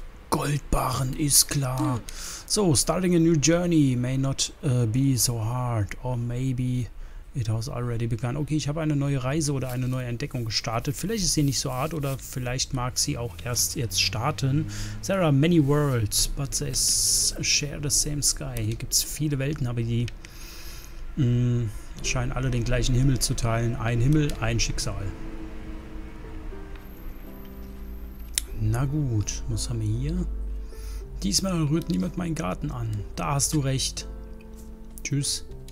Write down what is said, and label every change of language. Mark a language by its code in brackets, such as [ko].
[de] Goldbarren ist klar. [en] So, starting a new journey may not be so hard. Or maybe it has already begun. [de] Okay, ich habe eine neue Reise oder eine neue Entdeckung gestartet. Vielleicht ist sie nicht so hart oder vielleicht mag sie auch erst jetzt starten. [en] There are many worlds, but they share the same sky. [de] Hier gibt es viele Welten, aber die scheinen alle den gleichen Himmel zu teilen. Ein Himmel, ein Schicksal. Na gut, was haben wir hier? Diesmal rührt niemand meinen Garten an. Da hast du recht. Tschüss.